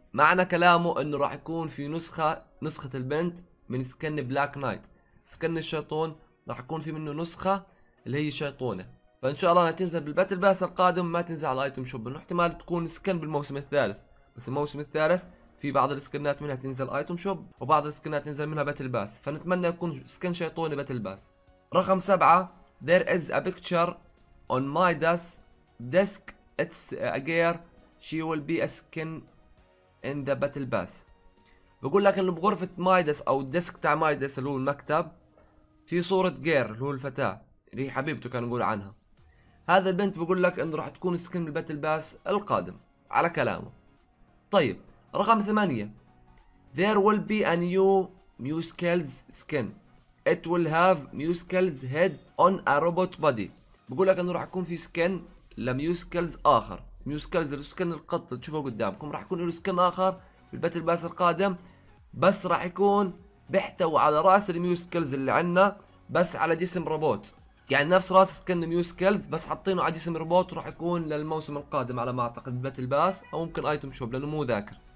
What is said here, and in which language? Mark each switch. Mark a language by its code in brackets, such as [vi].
[ar] معنى كلامه انه راح يكون في نسخة البنت من سكن بلاك نايت، سكن الشيطان، راح يكون في منه نسخة اللي هي شيطونة. فان شاء الله انها تنزل بالباتل باس القادم، ما تنزل على الايتم شوب، انه احتمال تكون سكن بالموسم الثالث، بس الموسم الثالث في بعض السكنات منها تنزل ايتم شوب وبعض السكنات تنزل منها باتل باس، فنتمنى يكون سكن شيطونة باتل باس. رقم 7 [en] There is a picture on my desk. It's a girl. She will be a skin in the battle pass. [ar] بقول لك انه بغرفة مايدس او الديسك تاع مايدس اللي هو المكتب في صورة جير اللي هو الفتاة اللي هي حبيبته كان نقول عنها. هذا البنت بقول لك انه راح تكون سكن بالباتل باس القادم على كلامه. طيب رقم 8 [en] There will be a new Muscles skin. It will have Muscles head on a robot body. [ar] بقول لك انه راح يكون في سكن لميوسكلز اخر. ميوسكلز اللي سكن القط تشوفه قدامكم راح يكون له سكن اخر في الباتل باس القادم، بس راح يكون بيحتوي على راس الميوسكلز اللي عندنا بس على جسم روبوت، يعني نفس راس سكن ميوسكلز بس حاطينه على جسم روبوت، راح يكون للموسم القادم على ما اعتقد باتل باس او ممكن ايتم شوب لانه مو ذاكر.